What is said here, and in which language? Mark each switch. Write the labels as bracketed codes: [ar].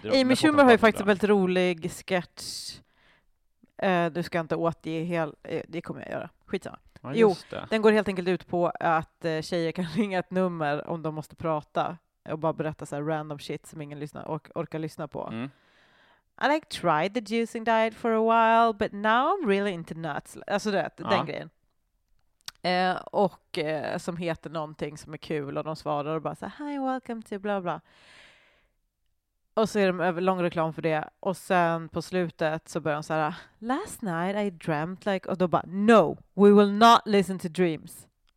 [sv] drömmar. Amy Schumer har ju faktiskt en väldigt rolig sketch. Du ska inte återge helt, det kommer jag göra. Skitsamma. Ja, jo, det. Den går helt enkelt ut på att tjejer kan ringa ett nummer om de måste prata och bara berätta så här random shit som ingen lyssnar och orkar lyssna på. Mm. [en] I like tried the juicing diet for a while but now I'm really into nuts. [sv] Alltså det, den grejen. Och som heter någonting som är kul, och de svarar och bara så här, [en] hi, welcome to bla bla. [sv] Och så är de över lång reklam för det, och sen på slutet så börjar de så här, [en] last night I dreamt like, [sv] och då bara, [en] no, we will not listen to dreams.